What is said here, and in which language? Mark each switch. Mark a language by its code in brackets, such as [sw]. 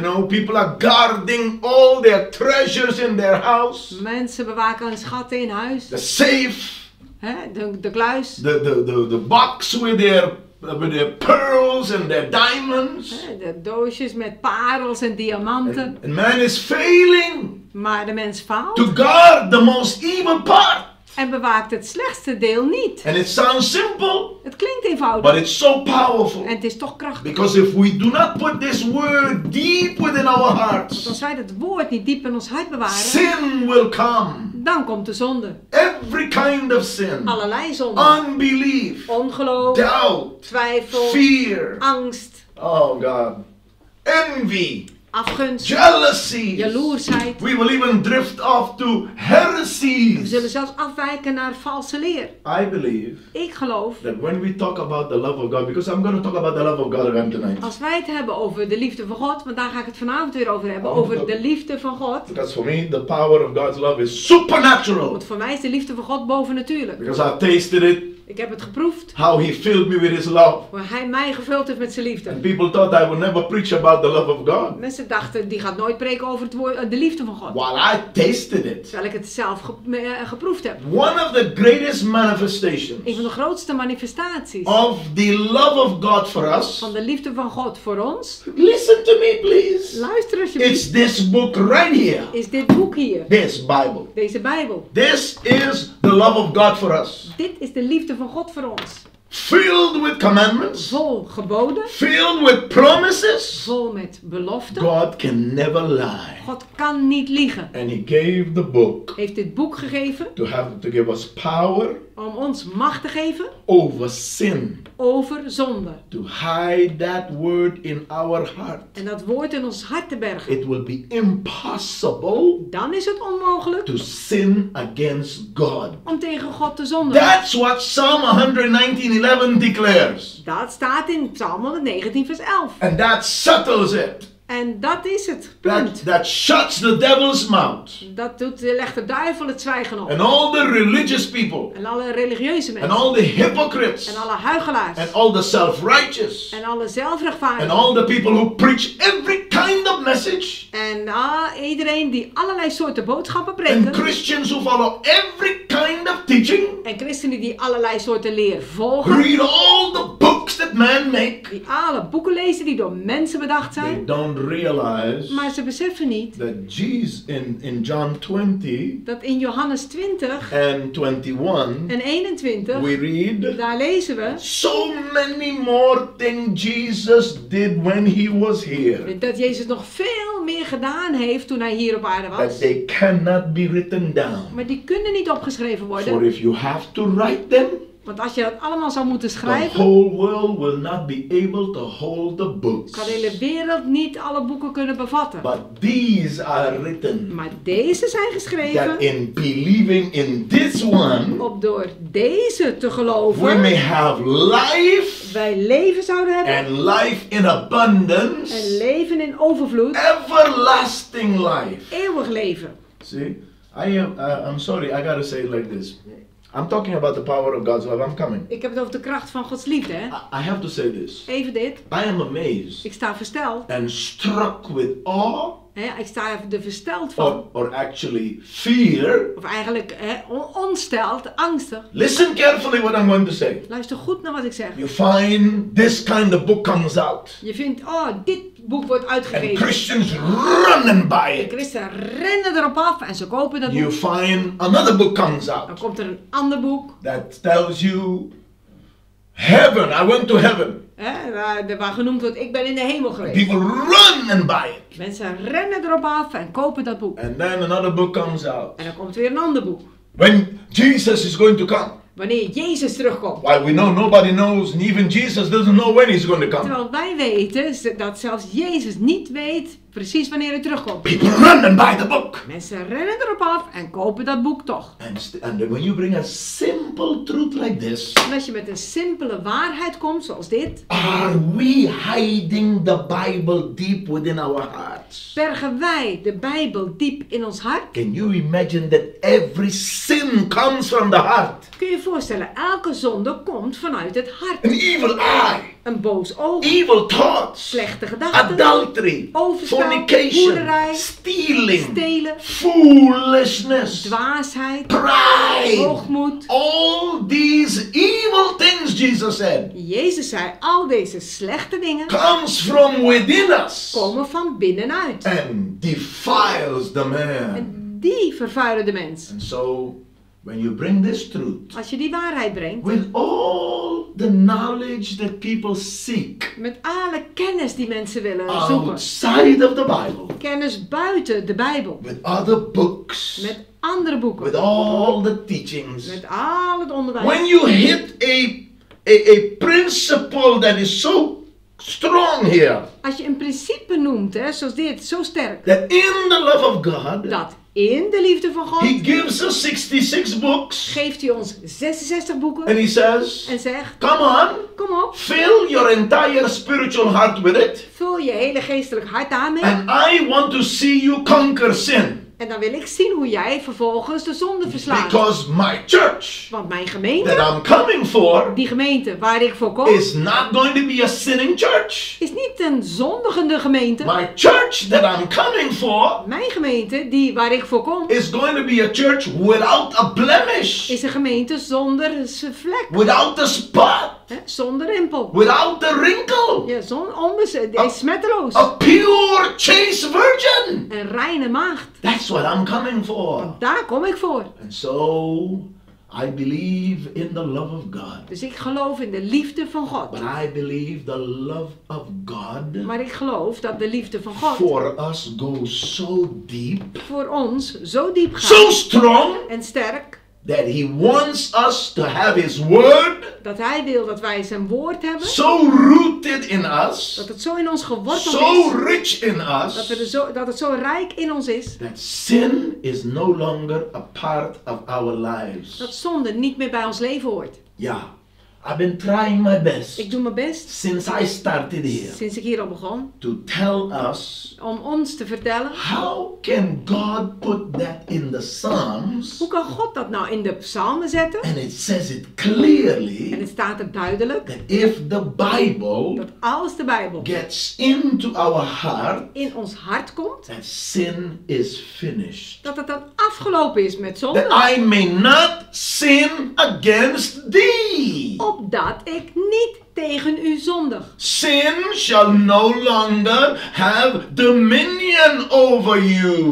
[en] You know, people are guarding all their treasures in their house. [nl] Mensen bewaken hun schatten in huis. [en] The safe. [nl] He, de kluis. [en] The box with their pearls and their diamonds. [nl] He, de doosjes met parels en diamanten. [en] And man is failing. [nl] Maar de mens faalt. [en] To guard the most evil part. [nl] En bewaakt het slechtste deel niet. [en] And it sounds simple. [nl] Het klinkt eenvoudig. [en] But it's so powerful. [nl] En het is toch krachtig. [en] Because if we do not put this word deep within our hearts. [nl] Want als wij dat woord niet diep in ons hart bewaren. [en] Sin will come. [nl] Dan komt de zonde. [en] Every kind of sin. [nl] Allerlei zonde. [en] Unbelief. [nl] Ongeloof. [en] Doubt. [nl] Twijfel. [en] Fear. [nl] Angst. [en] Oh God. Envy. [nl] Afgunst. [en] Jealousy. [nl] Jaloersheid. [en] We will even drift off to heresies. [nl] We zullen zelfs afwijken naar valse leer. [en] I believe. [nl] Ik geloof. [en] That when we talk about the love of God, because I'm going to talk about the love of God again tonight. [nl] Als wij het hebben over de liefde van God, want daar ga ik het vanavond weer over hebben, over de liefde van God. [en] Because for me, the power of God's love is supernatural. [nl] Want voor mij is de liefde van God bovennatuurlijk. [en] Because I tasted it. [nl] Ik heb het geproefd. [en] How he filled me with his love. [nl] Hoe hij mij gevuld heeft met zijn liefde. [en] And people thought I would never preach about the love of God. [nl] Mensen dachten, die gaat nooit preken over het woord, de liefde van God. [en] While I tasted it. [nl] Terwijl ik het zelf geproefd heb. [en] One of the greatest manifestations. [nl] Een van de grootste manifestaties. [en] Of the love of God for us. [nl] Van de liefde van God voor ons. [en] Listen to me please. [nl] Luister alsjeblieft. [en] It's this book right here. [nl] Is dit boek hier. [en] This Bible. [nl] Deze Bijbel. [en] This is the love of God for us. [nl] Dit is de liefde van God voor ons. [en] Filled with commandments. [nl] Vol geboden. [en] Filled with promises. [nl] Vol met beloften. [en] God can never lie. [nl] God kan niet liegen. [en] And he gave the book. [nl] Heeft dit boek gegeven. [en] To give us power. [nl] Om ons macht te geven. [en] Over sin. [nl] Over zonde. [en] To hide that word in our heart. [nl] En dat woord in ons hart te bergen. [en] It will be impossible. [nl] Dan is het onmogelijk. [en] To sin against God. [nl] Om tegen God te zonden. [en] That's what Psalm 119:11 declares. [nl] Dat staat in Psalm 119 vers 11. [en] And that settles it. [nl] En dat is het punt. [en] That shuts the devil's mouth. [nl] Dat doet, legt de duivel het zwijgen op. [en] And all the religious people. [nl] En alle religieuze mensen. [en] And all the hypocrites. [nl] En alle huichelaars. [en] And all the self-righteous. [nl] En alle zelfrechtvaardigen. [en] And all the people who preach every kind of message. [nl] En iedereen die allerlei soorten boodschappen preken. [en] And Christians who follow every kind of teaching. [nl] En christenen die allerlei soorten leer volgen. [en] Read all the books that man make. [nl] Die alle boeken lezen die door mensen bedacht zijn. [en] Realize, [nl] maar ze beseffen niet [en] that Jesus in John 20, [nl] dat in Johannes 20 [en] and 21, [nl] en 21 [en] we read, [nl] daar lezen we [en] so many more things Jesus did when he was here, [nl] dat Jezus nog veel meer gedaan heeft toen hij hier op aarde was, [en] that they cannot be written down, [nl] maar die kunnen niet opgeschreven worden. [en] For if you have to write them, [nl] want als je dat allemaal zou moeten schrijven, [en] the whole world will not be able to hold the books. [nl] Kan de hele wereld niet alle boeken kunnen bevatten. [en] But these are written. [nl] Maar deze zijn geschreven. [en] That in believing in this one. [nl] Op door deze te geloven. [en] We may have life. [nl] Wij leven zouden hebben. [en] And life in abundance. [nl] En leven in overvloed. [en] Everlasting life. [nl] Eeuwig leven. [en] See, I'm sorry, I gotta say it like this. I'm talking about the power of God's love. I'm coming. [nl] Ik heb het over de kracht van Gods liefde, hè? [en] I have to say this. [nl] Even dit. [en] I am amazed. [nl] Ik sta versteld. [en] And struck with awe. [nl] Ja, ik sta er versteld van. [en] Or actually fear. [nl] Of eigenlijk ontsteld, angstig. [en] Listen carefully what I'm going to say. [nl] Luister goed naar wat ik zeg. [en] You find this kind of book comes out. [nl] Je vindt, dit boek wordt uitgegeven. [en] And Christians running by it. [nl] De christen rennen erop af en ze kopen dat [en] you [nl] boek. [en] You find another book comes out. [nl] Dan komt er een ander boek. [en] That tells you heaven, I went to heaven. [nl] Waar genoemd wordt, ik ben in de hemel geweest. [en] People run and buy it. [nl] Mensen rennen erop af en kopen dat boek. [en] And then another book comes out. [nl] En dan komt weer een ander boek. [en] When Jesus is going to come. [nl] Wanneer Jezus terugkomt. [en] Why we know nobody knows, and even Jesus doesn't know when he's going to come. [nl] Terwijl wij weten dat zelfs Jezus niet weet precies wanneer hij terugkomt. [en] People run and buy the book. [nl] Mensen rennen erop af en kopen dat boek toch. [en] And when you bring a simple truth like this. [nl] En als je met een simpele waarheid komt zoals dit. [en] Are we hiding the Bible deep within our hearts? [nl] Bergen wij de Bijbel diep in ons hart? [en] Can you imagine that every sin comes from the heart? [nl] Kun je je voorstellen, elke zonde komt vanuit het hart. [en] An evil eye. [nl] Een boos oog. [en] Evil thoughts. [nl] Slechte gedachten. [en] Adultery. [nl] Overspel. [en] Fornication. [nl] Hoererij. [en] Stealing. [nl] Stelen. [en] Foolishness. [nl] Dwaasheid. [en] Pride. [nl] Hoogmoed. [en] All these evil things, Jesus said. [nl] Jezus zei, al deze slechte dingen. [en] Comes from within us. [nl] Komen van binnenuit. [en] And defiles the man. [nl] En die vervuilen de mens. [en] And so, when you bring this truth, [nl] als je die waarheid brengt, [en] with all the knowledge that people seek, [nl] met alle kennis die mensen willen [en] outside outside of the Bible, [nl] kennis buiten de Bijbel, [en] with other books, [nl] met andere boeken, [en] with all the teachings, [nl] met al het onderwijs, [en] when you hit a principle that is so strong here, [nl] als je een principe noemt, hè, zoals dit, zo sterk, [en] that in the love of God, [nl] dat in de liefde van God. [en] He gives us 66 books. [nl] Geeft hij ons 66 boeken. [en] And he says, [nl] en zegt. [en] Come on. [nl] Kom op. [en] Fill your entire spiritual heart with it. [nl] Vul je hele geestelijk hart daarmee. [en] And I want to see you conquer sin. [nl] En dan wil ik zien hoe jij vervolgens de zonde verslaat. [en] Because my church. [nl] Want mijn gemeente. [en] That I'm coming for. [nl] Die gemeente waar ik voor kom. [en] Is not going to be a sinning church. [nl] Is niet een zondigende gemeente. [en] My church that I'm coming for. [nl] Mijn gemeente die waar ik voor kom. [en] Is going to be a church without a blemish. [nl] Is een gemeente zonder vlek. [en] Without a spot. [nl] Zonder rimpel. [en] Without the wrinkle. [nl] Ja, zonder smetteloos. [en] A pure chaste virgin. [nl] Een reine maagd. [en] That's what I'm coming for. [nl] En daar kom ik voor. [en] And so I believe in the love of God. [nl] Dus ik geloof in de liefde van God. [en] But I believe the love of God. [nl] Maar ik geloof dat de liefde van God. [en] For us goes so deep. [nl] Voor ons zo diep gaat. [en] So strong. [nl] En sterk. [en] That he wants us to have his word. [nl] Dat hij wil dat wij zijn woord hebben. [en] So rooted in us. [nl] Dat het zo in ons geworteld [en] so [nl] is. [en] So rich in us. [nl] Dat het zo rijk in ons is. [en] That sin is no longer a part of our lives. [nl] Dat zonde niet meer bij ons leven hoort. [en] Ja. I've been trying my best. [nl] Ik doe mijn best. [en] Since I started here. [nl] Sinds ik hier al begon. [en] To tell us. [nl] Om ons te vertellen. [en] How can God put that in the Psalms? [nl] Hoe kan God dat nou in de Psalmen zetten? [en] And it says it clearly. [nl] En het staat er duidelijk. [en] That if the Bible. [nl] Dat als de Bijbel. [en] Gets into our heart. [nl] In ons hart komt. [en] That sin is finished. [nl] Dat het dan afgelopen is met zonde. [en] That I may not sin against thee. [nl] Opdat ik niet tegen u zondig. [en] Sin shall no longer have dominion over you.